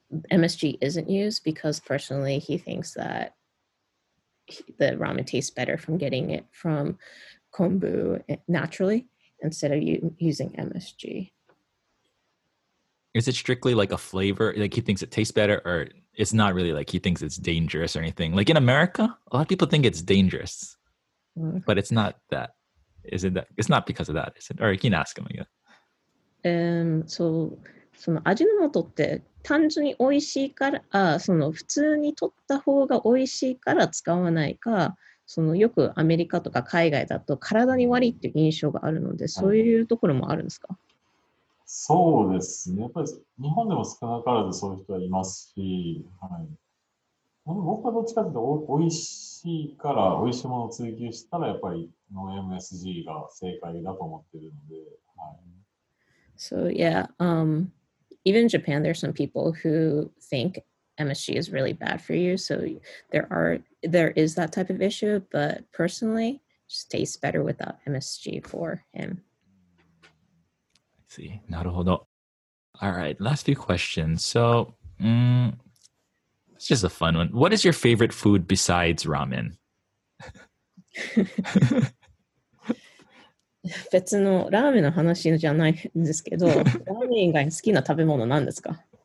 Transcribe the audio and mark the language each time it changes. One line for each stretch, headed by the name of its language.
English: MSG isn't used because personally he thinks that the ramen tastes better from getting it from kombu naturally instead of using MSG. Is it strictly like a flavor? Like he thinks it tastes better or it's not really like he thinks it's dangerous or anything? Like in America, a lot of people think it's dangerous. Mm-hmm. But it's not that. Is it that? It's not because of that, is it? Or you can ask him again.
Japanese: その味の素って単純に美味しいからその普通に取った方が美味しいから使わないか、そのよくアメリカとか海外だと体に悪いっていう印象があるので、そういうところもあるんですか？そうですね。やっぱり日本でも少なからずそういう人はいますし、はい、でも僕はどっちかというと美味しいから美味しいものを追求したらやっぱりノン MSG が正解だと思ってるので、はい。
English: So yeah, even Japan, there's some people who think MSG is really bad for you. So there is that type of issue, but personally, it just tastes better without MSG for him. I see. なるほど. All right, last few questions. So it's just a fun one. What is your favorite food besides ramen?
Japanese: 別のラーメンの話じゃないんですけど、ラーメン以外好きな食べ物なんですか？